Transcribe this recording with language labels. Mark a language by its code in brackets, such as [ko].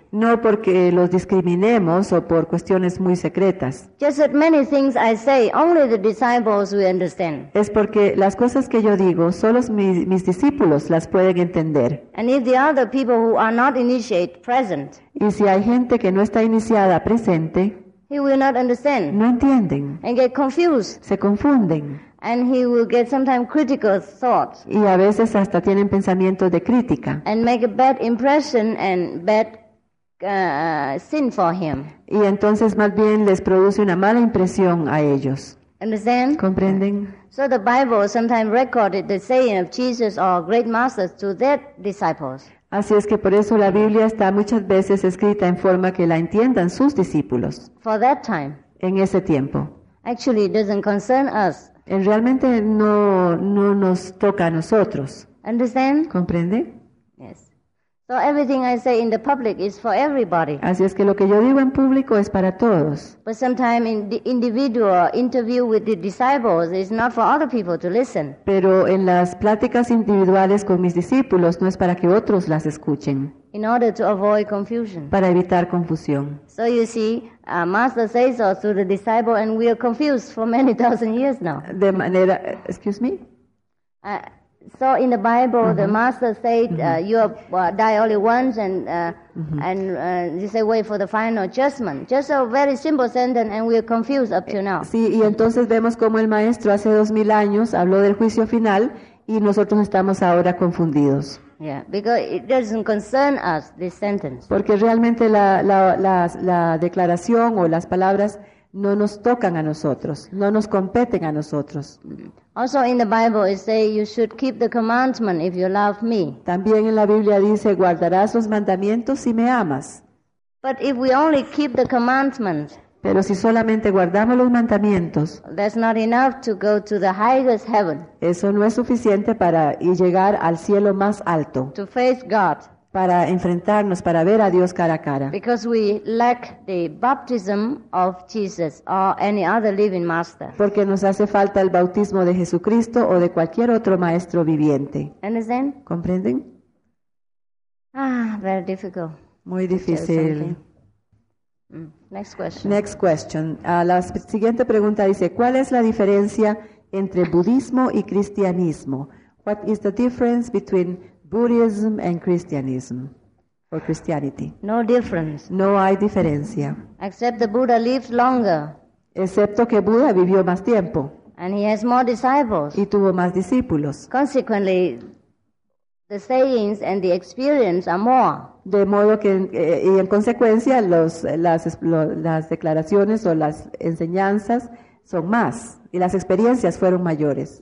[es] No porque los discriminemos o por cuestiones muy secretas. [en] Just that many things I say, only the disciples will understand. [es] Es porque las cosas que yo digo, solo mis discípulos las pueden entender. [en] And if the other people who are not initiated present, [es] y si hay gente que no está iniciada presente, [en] he will not understand. [es] No entienden. [en] And get confused. [es] Se confunden. [en] And he will get sometimes critical thoughts. [es] Y a veces hasta tienen pensamientos de crítica. [en] And make a bad impression and bad sin for him. [es] Y entonces más bien les produce una mala impresión a ellos. [en] Understand? [es] ¿Comprenden? [en] So the Bible sometimes recorded the saying of Jesus or great masters to their disciples. [es] Así es que por eso la Biblia está muchas veces escrita en forma que la entiendan sus discípulos. [en] For that time. [es] En ese tiempo. [en] Actually, it doesn't concern us. [es] Realmente no nos toca a nosotros. [en] Understand? [es] ¿Comprende? [en] Yes. So everything I say in the public is for everybody. [es] Así es que lo que yo digo en público es para todos. [en] But sometimes in the individual interview with the disciples is not for other people to listen. [es] Pero en las pláticas individuales con mis discípulos no es para que otros las escuchen. [en] In order to avoid confusion. [es] Para evitar confusión. [en] So you see, a master says so to the disciple and we are confused for many thousand years now. [es] De manera, [en] excuse me? So in the Bible, the master said, you die only once and you say wait for the final judgment. Just a very simple sentence and we are confused up to now. [es] Sí, y entonces vemos como el maestro hace 2000 años habló del juicio final y nosotros estamos ahora confundidos. [en] Yeah, because it doesn't concern us, this sentence. [es] Porque realmente la declaración o las palabras no nos tocan a nosotros, no nos competen a nosotros. [en] Also in the Bible it say you should keep the commandment if you love me. [es] También en la Biblia dice guardarás los mandamientos si me amas. [en] But if we only keep the commandment, [es] Pero si solamente guardamos los mandamientos, [en] that's not enough to go to the highest heaven. [es] Eso no es suficiente para llegar al cielo más alto. [en] To face God. [es] Para enfrentarnos, para ver a Dios cara a cara. [en] Because we lack the baptism of Jesus or any other living master. [es] Porque nos hace falta el bautismo de Jesucristo o de cualquier otro maestro viviente. [en] Understand? [es] ¿Comprenden? [en] Ah, very difficult. [es] Muy difícil. [en] Next question. Next question. [es] La siguiente pregunta dice, ¿cuál es la diferencia entre budismo y cristianismo? [en] What is the difference between Buddhism and Christianism or Christianity? No difference. [es] No hay diferencia. [en] Except the Buddha lived longer. [es] Excepto que Buda vivió más tiempo. [en] And he has more disciples. [es] Y tuvo más discípulos. [en] Consequently, the sayings and the experience are more. [es] De modo que, y en consecuencia, las declaraciones o las enseñanzas son más, y las experiencias fueron mayores.